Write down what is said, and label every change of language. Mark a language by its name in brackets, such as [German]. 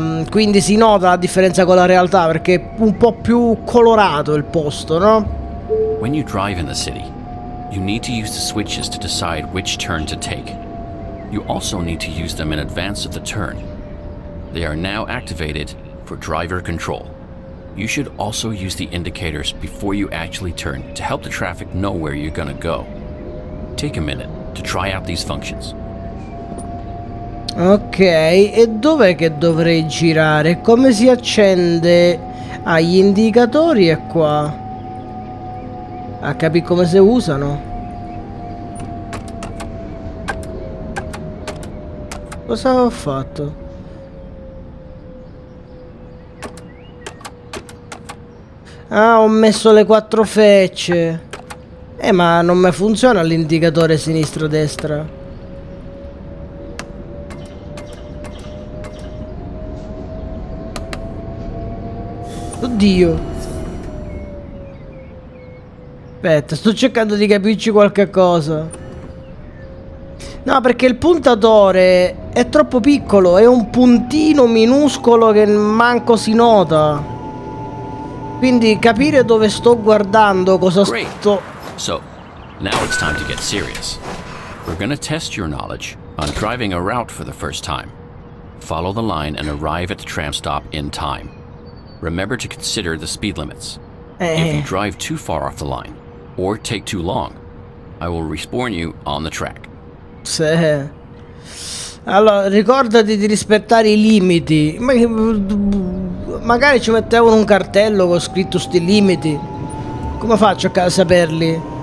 [Italian] Quindi si nota la differenza con la realtà, perché è un po' più colorato il posto, no? [English] When you drive in the city, you need to use the switches to decide which turn to take. You also need to use them in advance of the turn. They are now activated for driver control. You should also use the indicators before you actually turn to help the traffic know where you're gonna go. Take a minute to try out these functions. [Italian] Ok, e dov'è che dovrei girare? Come si accende? Ah, gli indicatori è qua. Ah, capi come si usano? Cosa ho fatto? Ah, ho messo le quattro frecce. Ma non mi funziona l'indicatore sinistro-destra. Oddio. Aspetta, sto cercando di capirci qualche cosa. No, perché il puntatore è troppo piccolo. È un puntino minuscolo che manco si nota. Quindi capire dove sto guardando, cosa sto... [English] So, now it's time to get serious. We're gonna test your knowledge on driving a route for the first time. Follow the line and arrive at the tram stop in time. Remember to consider the speed limits. If you drive too far off the line or take too long, I will respawn you on the track. [Italian] Sì. Allora, ricordati di rispettare i limiti. Magari ci mettevano un cartello con scritto sti limiti. Come faccio a saperli?